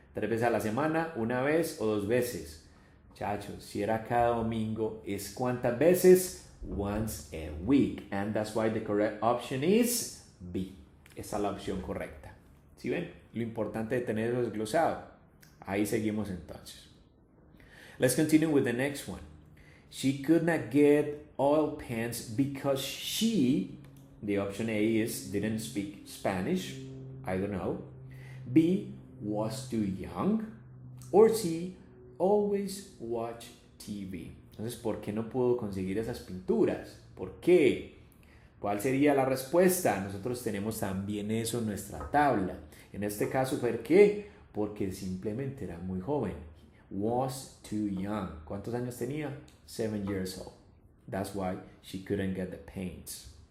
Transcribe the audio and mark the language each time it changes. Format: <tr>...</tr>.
<es>3 veces a la semana, una vez o 2 veces. Chacho, si era cada domingo, ¿es cuántas veces?</es> <en>Once a week. And that's why the correct option is B.</en> <es>Esa es la opción correcta. ¿Sí ven? Lo importante de tener eso desglosado. Ahí seguimos entonces.</es> <en>Let's continue with the next one. She could not get oil paints because she, the option A is, didn't speak Spanish. I don't know. B, was too young, or C, always watch TV.</en> <es>Entonces, ¿por qué no pudo conseguir esas pinturas? ¿Por qué? ¿Cuál sería la respuesta? Nosotros tenemos también eso en nuestra tabla. En este caso, ¿por qué? Porque simplemente era muy joven.</es> <en>Was too young.</en> <es>¿Cuántos años tenía?</es> <en>7 years old. That's why she couldn't get the paints.</en>